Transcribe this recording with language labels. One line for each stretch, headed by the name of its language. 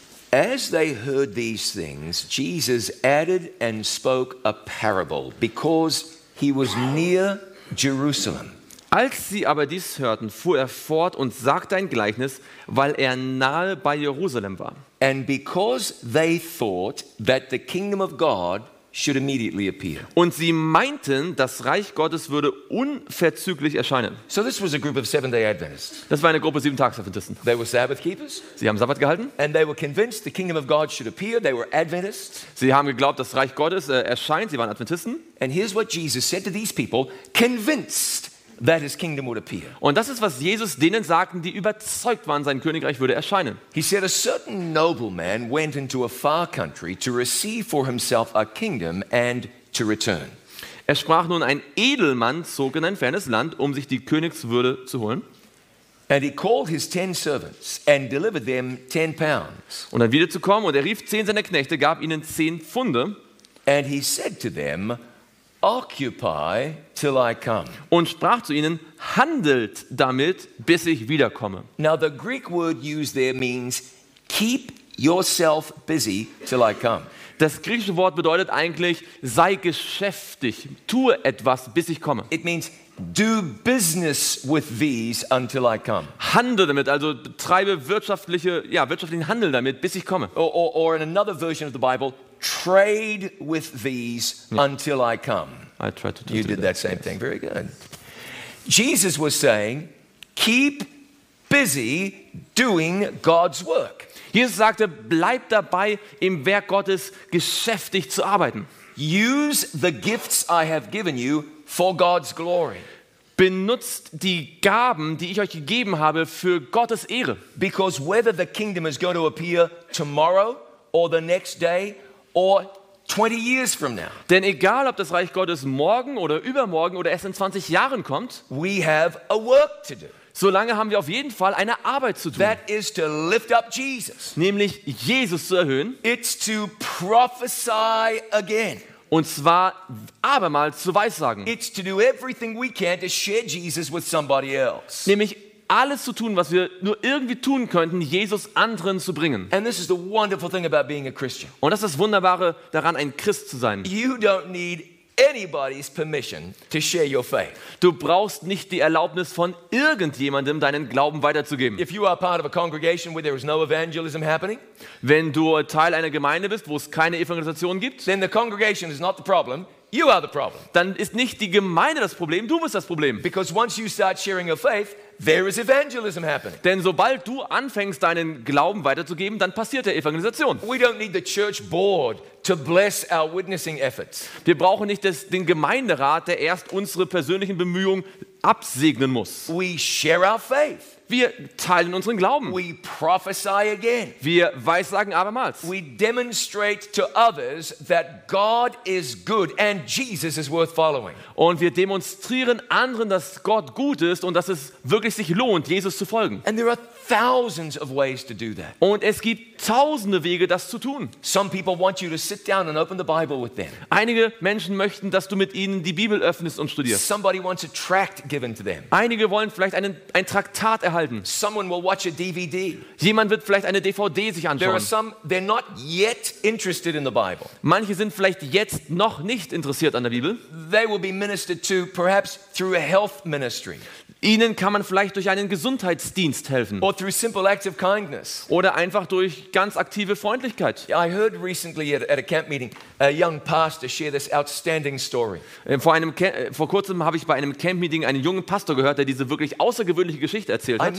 English: As they heard these things, Jesus added and spoke a parable, because he was near Jerusalem.
German: Als sie aber dies hörten, fuhr er fort und sagte ein Gleichnis, weil er nahe bei Jerusalem war.
English: And because they thought that the kingdom of God should immediately appear.
German: Und sie meinten, das Reich Gottes würde unverzüglich erscheinen.
English: So this was a group of Seventh-day Adventists.
German: Das war eine Gruppe Siebentagsadventisten.
English: They were Sabbath keepers.
German: Sie haben Sabbat gehalten.
English: And they were convinced the kingdom of God should appear. They were Adventists.
German: Sie haben geglaubt, das Reich Gottes erscheint. Sie waren Adventisten.
English: And here's what Jesus said to these people, convinced that his kingdom would appear.
German: Und das ist, was Jesus denen sagte, die überzeugt waren, sein Königreich würde erscheinen.
English: He said, a certain nobleman went into a far country to receive for himself a kingdom and to return.
German: Er sprach nun, ein Edelmann zog in ein fernes Land, um sich die Königswürde zu holen.
English: And he called his 10 servants and delivered them 10 pounds.
German: Und dann wieder zu kommen, und er rief 10 seiner Knechte, gab ihnen 10 Pfunde.
English: And he said to them, occupy till I come.
German: Und sprach zu ihnen, handelt damit, bis ich wiederkomme.
English: Now the Greek word used there means keep yourself busy till I come.
German: Das griechische Wort bedeutet eigentlich, sei geschäftig, tue etwas, bis ich komme.
English: It means do business with these until I come.
German: Handle damit, also betreibe wirtschaftlichen Handel damit, bis ich komme.
English: Or in another version of the Bible, trade with these until I come. I tried to do that. You did that same thing. Very good. Jesus was saying, keep busy doing God's work.
German: Jesus sagte, bleib dabei, im Werk Gottes geschäftig zu arbeiten.
English: Use the gifts I have given you for God's glory.
German: Benutzt die Gaben, die ich euch gegeben habe, für Gottes Ehre.
English: Because whether the kingdom is going to appear tomorrow or the next day, or 20 years from now.
German: Denn egal, ob das Reich Gottes morgen oder übermorgen oder erst in 20 Jahren kommt,
English: we have a work to do.
German: Solange haben wir auf jeden Fall eine Arbeit zu tun.
English: That is to lift up Jesus.
German: Nämlich Jesus zu erhöhen.
English: It's to prophesy again.
German: Und zwar abermals zu weissagen.
English: It's to do everything we can to share Jesus with somebody else.
German: Nämlich alles zu tun, was wir nur irgendwie tun könnten, Jesus anderen zu bringen.
English: And this is the wonderful thing about being a Christian.
German: Und das ist das Wunderbare daran, ein Christ zu sein.
English: You don't need anybody's permission to share your faith.
German: Du brauchst nicht die Erlaubnis von irgendjemandem, deinen Glauben weiterzugeben.
English: If you are part of a congregation where there is no evangelism happening,
German: wenn du Teil einer Gemeinde bist, wo es keine Evangelisation gibt,
English: then the congregation is not the problem. You are the problem.
German: Dann ist nicht die Gemeinde das Problem, du bist das Problem.
English: Because once you start sharing your faith, there is evangelism happening.
German: Denn sobald du anfängst, deinen Glauben weiterzugeben, dann passiert der Evangelisation.
English: We don't need the church board to bless our witnessing efforts.
German: Wir brauchen nicht den Gemeinderat, der erst unsere persönlichen Bemühungen absegnen muss.
English: We share our faith.
German: Wir teilen unseren Glauben.
English: We prophesy again.
German: Wir weissagen abermals.
English: We demonstrate to others that God is good and Jesus is worth following.
German: Und wir demonstrieren anderen, dass Gott gut ist und dass es wirklich sich lohnt, Jesus zu folgen.
English: And there are thousands of ways to do that.
German: Und es gibt tausende Wege, das zu tun.
English: Some people want you to sit down and open the Bible with them.
German: Einige Menschen möchten, dass du mit ihnen die Bibel öffnest und studierst.
English: Somebody wants a tract given to them.
German: Einige wollen vielleicht ein Traktat erhalten.
English: Someone will watch a DVD.
German: Jemand wird vielleicht eine DVD sich anschauen.
English: There are some, they're not yet interested in the Bible.
German: Manche sind vielleicht jetzt noch nicht interessiert an der Bibel.
English: They will be ministered to perhaps through a health ministry.
German: Ihnen kann man vielleicht durch einen Gesundheitsdienst helfen.
English: Or through simple acts of kindness.
German: Oder einfach durch ganz aktive Freundlichkeit.
English: I heard recently at a camp meeting a young pastor share this outstanding story.
German: Vor kurzem habe ich bei einem Camp Meeting einen jungen Pastor gehört, der diese wirklich außergewöhnliche Geschichte erzählt hat.